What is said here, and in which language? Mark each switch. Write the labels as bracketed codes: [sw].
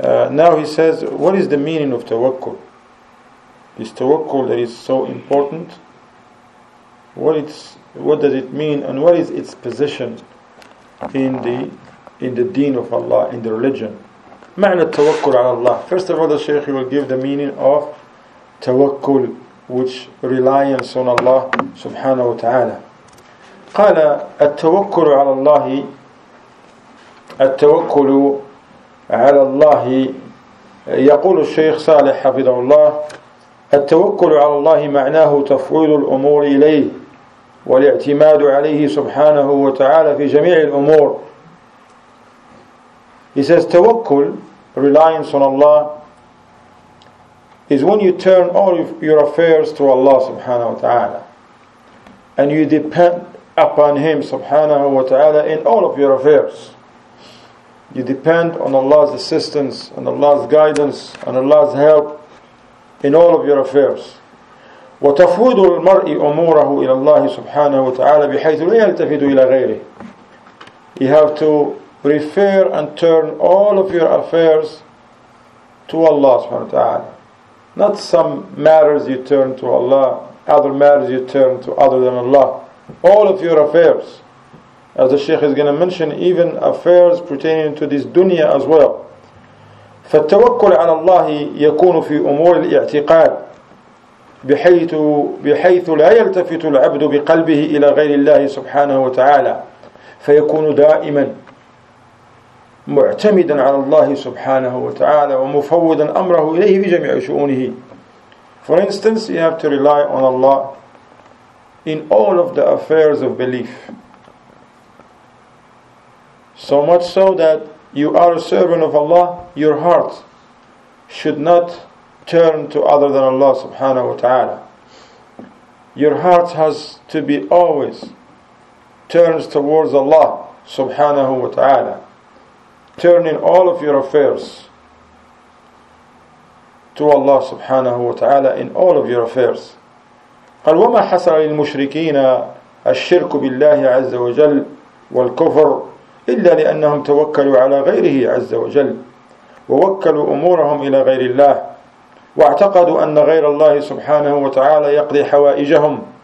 [en] Now he says, what is the meaning of tawakkul? This tawakkul that is so important, what does it mean and what is its position in the deen of Allah, in the religion? [ar] معنى التوكل على الله. [en] First of all, the Shaykh will give the meaning of tawakkul, which reliance on Allah subhanahu wa ta'ala. [ar] قال التوكل على الله التوكل على الله يقول الشيخ صالح حفظه الله التوكل على الله معناه تفويض الأمور إليه والاعتماد عليه سبحانه وتعالى في جميع الأمور. [en] He says توكل, reliance on Allah, is when you turn all of your affairs to Allah subhanahu wa ta'ala and you depend upon Him subhanahu wa ta'ala in all of your affairs. You depend on Allah's assistance, on Allah's guidance, on Allah's help in all of your affairs. [ar] وتفويض المرء أموره إلى الله سبحانه وتعالى بحيث لا يلتفت إلى غيره. [en] You have to refer and turn all of your affairs to Allah [ar] سبحانه وتعالى. [en] Not some matters you turn to Allah, other matters you turn to other than Allah. All of your affairs, as the Shaykh is going to mention, even affairs pertaining to this dunya as well. [ar] فالتوكل على الله يكون في أمور الاعتقاد بحيث لا يلتفت العبد بقلبه إلى غير الله سبحانه وتعالى فيكون دائما معتمدا على الله سبحانه وتعالى ومفوضا أمره إليه في جميع شؤونه. [en] For instance, you have to rely on Allah in all of the affairs of belief, so much so that you are a servant of Allah, your heart should not turn to other than Allah subhanahu wa ta'ala. Your heart has to be always turns towards Allah subhanahu wa ta'ala, turning all of your affairs to Allah subhanahu wa ta'ala in all of your affairs. [ar] قال وما حصل للمشركين الشرك بالله عز وجل والكفر إلا لأنهم توكلوا على غيره عز وجل ووكلوا أمورهم إلى غير الله واعتقدوا أن غير الله سبحانه وتعالى يقضي حوائجهم